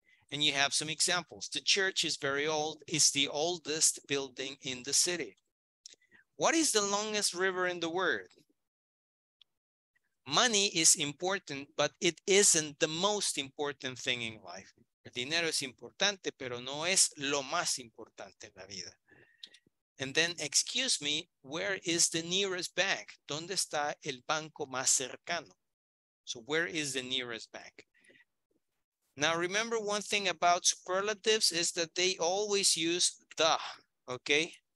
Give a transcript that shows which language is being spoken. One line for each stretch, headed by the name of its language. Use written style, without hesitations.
English: And you have some examples. The church is very old, it's the oldest building in the city. What is the longest river in the world? Money is important, but it isn't the most important thing in life.
Spanish: El dinero es importante, pero no es lo más importante en la vida.
English: And then, excuse me, where is the nearest bank?
Spanish: ¿Dónde está el banco más cercano?
English: So where is the nearest bank? Now, remember one thing about superlatives is that they always use the, okay?